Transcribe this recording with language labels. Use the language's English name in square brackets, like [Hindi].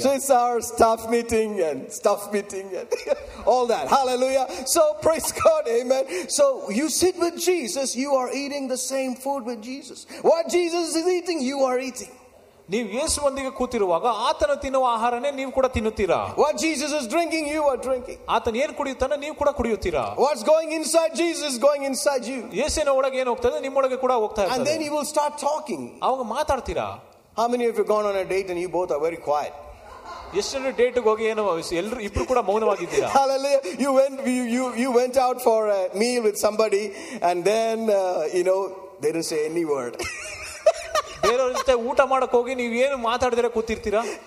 [English] So it's our staff meeting and stuff meeting and all that. Hallelujah. So praise God. Amen. So you sit with Jesus, you are eating the same food with Jesus. What Jesus is eating, you are eating. [Kannada] ನೀವು ಯೇಸು ಒಂದಿಗೆ ಕೂತಿರುವಾಗ ಆತನ ತಿನ್ನುವ ಆಹಾರನೇ ನೀವು ಕೂಡ ತಿನ್ನುತ್ತೀರಾ. [English] What Jesus is drinking, you are drinking. [Kannada] ಆತನ ಏನು ಕುಡಿಯುತ್ತಾನೆ ನೀವು ಕೂಡ ಕುಡಿಯುತ್ತೀರಾ. [English] What's going inside Jesus is going inside you. [Kannada] ಯೇಸಿನ ಒಳಗೆ ಏನು ಹೋಗ್ತದೆ ನಿಮ್ಮೊಳಗೆ ಕೂಡ ಹೋಗ್ತಾ ಇರ್ತದೆ. [English] And then you will start talking. [Kannada] ಅವಾಗ ಮಾತಾಡ್ತೀರಾ. [English] How many of you gone on a date and you both are very quiet? Yesterday date [Kannada] ಹೋಗಿ ಏನು ಎಲ್ಲರೂ ಇಬ್ರು ಕೂಡ ಮೌನವಾಗಿದ್ದೀರಾ. [English] Hallelujah. You went out for a meal with somebody and then they didn't say any word. [Kannada] ಊಟ ಮಾಡಕ್ ಹೋಗಿ ನೀವ್ ಏನು ಮಾತಾಡಿದ್ರೆ ಕೂತಿರ್ತೀರಾ.